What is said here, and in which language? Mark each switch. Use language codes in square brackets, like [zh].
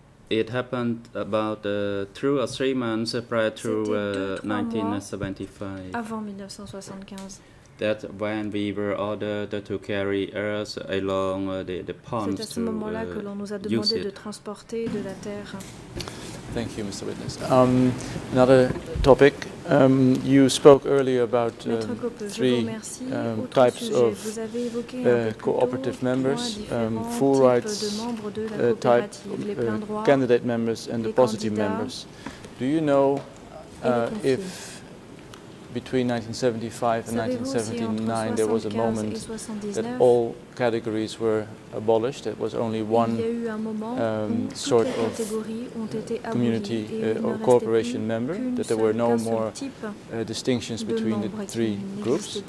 [en] It happened about 2 or 3 months prior to 1975. [fr] Avant 1975. [en] That's when we were ordered to carry earth along the ponds. [fr] C'est à ce moment-là que l'on nous a demandé de transporter de la terre. [en] Thank you, Mr. Witness. Another topic. You spoke earlier about three types of cooperative members, full rights type candidate members and the positive members. Do you know if between 1975 and 1979 there was a moment that all categories were abolished, it was only one sort of community or cooperation member, that there were no more distinctions between the three groups?